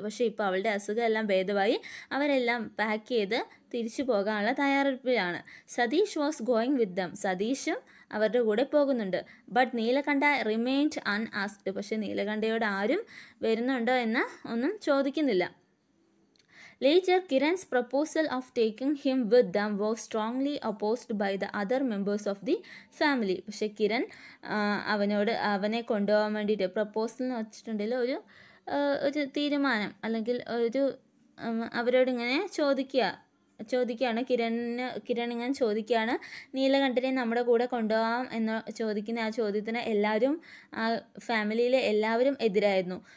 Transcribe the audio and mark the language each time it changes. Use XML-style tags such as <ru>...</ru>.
<ml>പക്ഷേ ഇപ്പോൾ അവളുടെ അസുഖമെല്ലാം ഭേദമായി, അവരെല്ലാം പാക്ക് ചെയ്ത് തിരിച്ചു പോകാനുള്ള തയ്യാറെടുപ്പിലാണ്.</ml> <en>Satish was going with them.</en> <ml>സതീഷും അവരുടെ കൂടെ പോകുന്നുണ്ട്.</ml> <en>But Neelakantha remained unasked.</en> <ml>പക്ഷേ നീലകണ്ഠയോട് ആരും വരുന്നുണ്ടോ എന്ന് ഒന്നും ചോദിക്കുന്നില്ല.</ml> <en>Later, Kiran's proposal of taking him with them was strongly opposed by the other members of the family.</en> <ml>പക്ഷേ കിരൺ അവനോട് അവനെ കൊണ്ടുപോകാൻ വേണ്ടിയിട്ട് പ്രപ്പോസൽ എന്ന് വെച്ചിട്ടുണ്ടെങ്കിൽ ഒരു ഒരു തീരുമാനം, അല്ലെങ്കിൽ ഒരു അവരോടിങ്ങനെ ചോദിക്കുകയാണ് കിരണിങ്ങനെ ചോദിക്കുകയാണ് നീലകണ്ഠനെ നമ്മുടെ കൂടെ കൊണ്ടുപോകാം എന്ന് ചോദിക്കുന്ന ആ ചോദ്യത്തിന് എല്ലാവരും, ആ ഫാമിലിയിലെ എല്ലാവരും എതിരായിരുന്നു.</ml>